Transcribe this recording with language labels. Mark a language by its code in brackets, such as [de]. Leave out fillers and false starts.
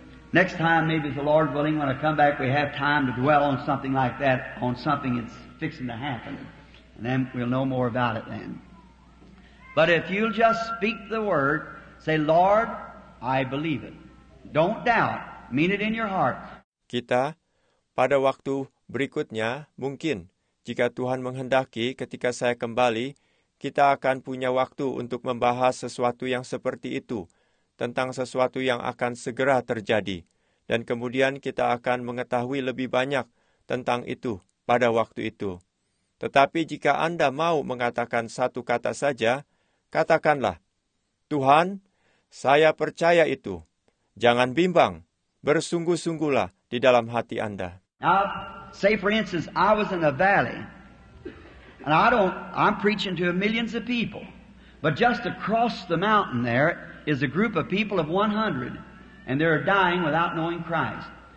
[en] Next time, maybe the Lord willing, when I come back, we have time to dwell on something like that, on something that's fixing to happen. And then we'll know more about it then. But if you'll just speak the word, say, Lord, I believe it. Don't doubt. Mean it in your heart. [id] Kita, pada waktu berikutnya, mungkin, jika Tuhan menghendaki, ketika saya kembali, kita akan punya waktu untuk membahas sesuatu yang seperti itu, tentang sesuatu yang akan segera terjadi. Dan kemudian kita akan mengetahui lebih banyak tentang itu pada waktu itu. Tetapi jika Anda mau mengatakan satu kata saja, katakanlah, Tuhan, saya percaya itu. Jangan bimbang, bersungguh-sungguhlah di dalam hati Anda. [en] Now, say for instance, I was in a valley, and I'm preaching to millions of people, but just across the mountain there is a group of people of 100, and they're dying without knowing Christ.